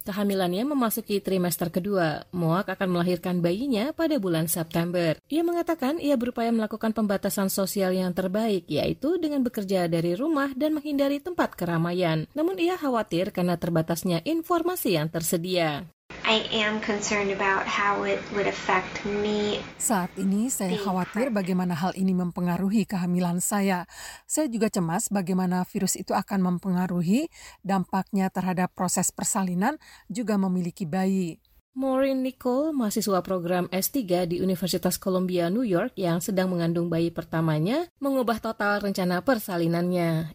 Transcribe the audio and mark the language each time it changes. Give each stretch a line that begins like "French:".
Indonesian: Kehamilannya memasuki trimester kedua. Moak akan melahirkan bayinya pada bulan September. Ia mengatakan ia berupaya melakukan pembatasan sosial yang terbaik, yaitu dengan bekerja dari rumah dan menghindari tempat keramaian. Namun ia khawatir karena terbatasnya informasi yang tersedia.
English: I am concerned about how it would affect me.
Indonesian: Saat ini saya khawatir bagaimana hal ini mempengaruhi kehamilan saya. Saya juga cemas bagaimana virus itu akan mempengaruhi dampaknya terhadap proses persalinan juga memiliki bayi. Maureen Nicole, mahasiswa program S3 di Universitas Columbia, New York, yang sedang mengandung bayi pertamanya, mengubah total rencana persalinannya.